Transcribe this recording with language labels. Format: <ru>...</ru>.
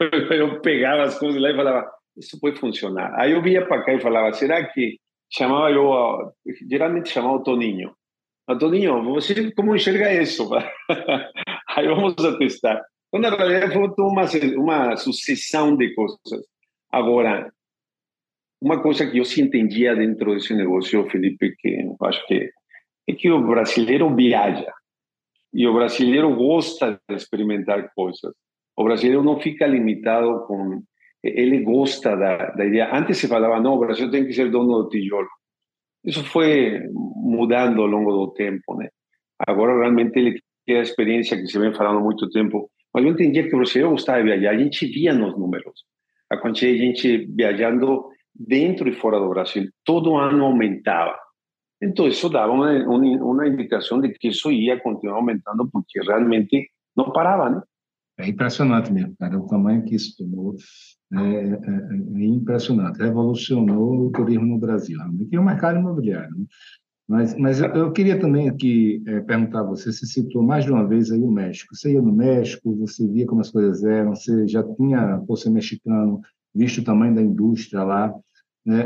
<pt>Eu pegava as coisas lá e falava, isso pode funcionar. Aí eu via para cá e falava, será que chamava eu, geralmente chamava o Toninho. Toninho, você como enxerga isso? Aí vamos a testar. Então, na realidade, foi uma sucessão de coisas. Agora,</pt> <es>Una cosa que yo sí entendía dentro de ese negocio, Felipe, que</es> <pt>acho que</pt> <es>es que el brasileño viaja y el brasileño gusta de experimentar cosas. El brasileño</es> <pt>no fica limitado</pt> <es>con... Él gusta la idea. Antes</es> <pt>se falaba,</pt> <es>no, Brasil tiene que ser</es> <pt>dono del tijolo.</pt> <es>Eso fue</es> <pt>mudando</pt> <es>a lo largo del tiempo, ¿no? Ahora realmente le queda experiencia que se ven</es> <pt>falando</pt> <es>mucho tiempo. Pero yo entendía que el brasileño gustaba de viajar.</es> <pt>A gente veía</pt> <es>los números.</es> <pt>A quantidad de gente viajando</pt> <es>dentro y fuera del Brasil. Todo año aumentaba. Entonces eso daba una indicación de que eso iba a continuar aumentando porque realmente no paraba, ¿no?</es> <pt>É impressionante mesmo, cara, o tamanho que isso tomou, é impressionante, revolucionou o turismo no Brasil, que é o mercado imobiliário. Né? Mas eu queria também aqui perguntar a você, você citou mais de uma vez aí o México, você ia no México, você via como as coisas eram, você já tinha, você é mexicano, visto o tamanho da indústria lá. Né?</pt>